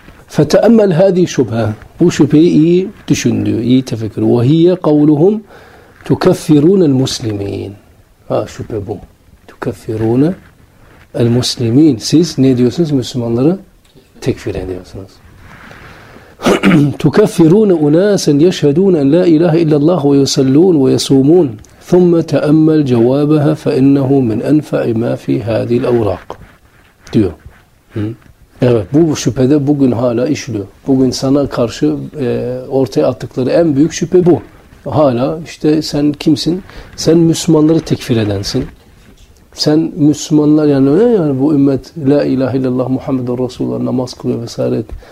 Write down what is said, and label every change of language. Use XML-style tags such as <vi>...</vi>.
<ar>فَتَأَمَّلْ هَذ۪ي شُبْهَا.</ar> <tr>Bu şüpheyi iyi düşün diyor, iyi tefekkür.</tr> <ar>وَهِيَّ قَوْلُهُمْ تُكَفِّرُونَ الْمُسْلِم۪ينَ.</ar> <tr>Ha, şüphe bu.</tr> <ar>تُكَفِّرُونَ الْمُسْلِم۪ينَ.</ar> <tr>Siz ne diyorsunuz? Müslümanları tekfir ediyorsunuz.</tr> <ar>تكفرون أناسا يشهدون أن لا إله إلا الله ويصلون ويصومون ثم تأمل جوابها فإنه من أنفع ما في هذه الأوراق</ar> <tr>diyor. Evet, bu şüphede bugün hala işliyor. Bugün sana karşı ortaya attıkları en büyük şüphe bu. Hala işte sen kimsin? Sen Müslümanları tekfir edensin. Sen Müslümanlar yani bu ümmet la ilahe illallah Muhammedun Resulullah namaz kılıyor vesaire.</tr>